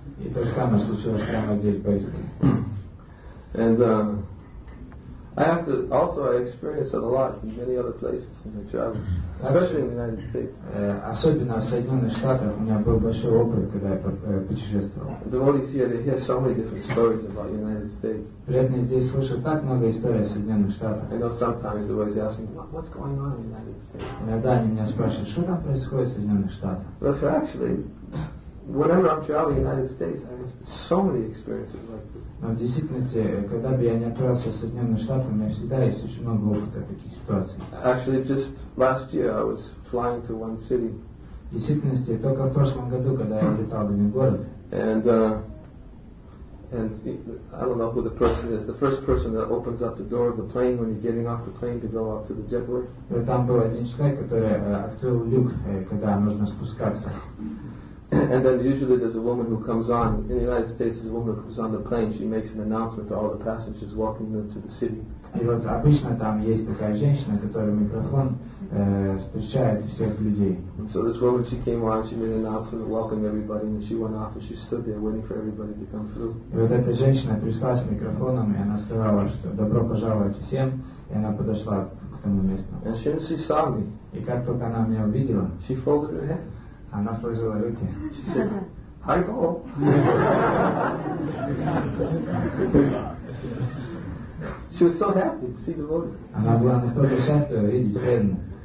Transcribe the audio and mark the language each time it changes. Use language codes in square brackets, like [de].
[ru] И то же самое случилось прямо здесь, в Борисполе. [en] And I have to also I experience it a lot in many other places in my travel, especially in the United States. [ru] Особенно в Соединенных Штатах у меня был большой опыт, когда я путешествовал. [en] The devotees here, they hear so many different stories about the United States. [ru] Преданные здесь слышат так много историй о Соединенных Штатах. [en] I know sometimes the devotees ask me, "What's going on in the United States?" [ru] Иногда они меня спрашивают, что там происходит в Соединенных Штатах. [en] But actually, whenever I'm traveling in the United States, I have so many experiences like this. [ru] Но в действительности, когда бы я не отправился в Соединенные Штаты, у меня всегда есть очень много опыта таких ситуаций. [en] Actually, just last year I was flying to one city. [ru] В действительности, только в прошлом году, когда я летал в один город. [en] And And I don't know who the person is, the first person that opens up the door of the plane when you're getting off the plane to go up to the jetway. [ru] Там был один человек, который открыл люк, когда нужно спускаться. [en] And then usually there's a woman who comes on. In the United States, there's a woman who comes on the plane. She makes an announcement to all the passengers, welcoming them to the city. [ru] И вот обычно там есть такая женщина, которая микрофон встречает всех людей. [en] So this woman, she came on, she made an announcement, welcomed everybody, and she went off and she stood there waiting for everybody to come through. [ru] И вот эта женщина пришла с микрофоном, и она сказала, что добро пожаловать всем, и она подошла к тому месту. [en] And she saw me. [ru] И как только она меня увидела, [en] she folded her hands. [ru] Она сложила руки. [en] She said, "Hi, Paul." She was so happy to see the Lord. [ru] Она была настолько счастлива видеть Бедну.